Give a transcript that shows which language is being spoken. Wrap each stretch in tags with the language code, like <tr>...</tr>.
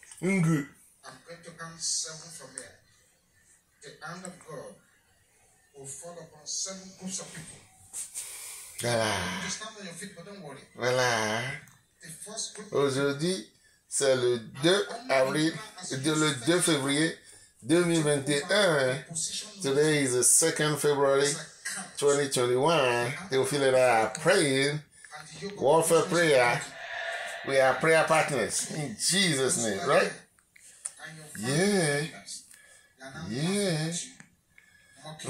<en>I'm going to count seven from here. The hand of God will fall upon seven groups of people.</en> <fr>Voilà.</fr> <en>You stand on your feet, but don't worry.</en> <fr>Voilà.</fr> <en>The first group.</en> <fr>Aujourd'hui, c'est le 2 février 2021.</fr> <en>Today is the 2 February 2021. They will feel it. I pray. Warfare prayer. We are prayer partners in Jesus' name, right? Yeah. Yeah. Okay.</en>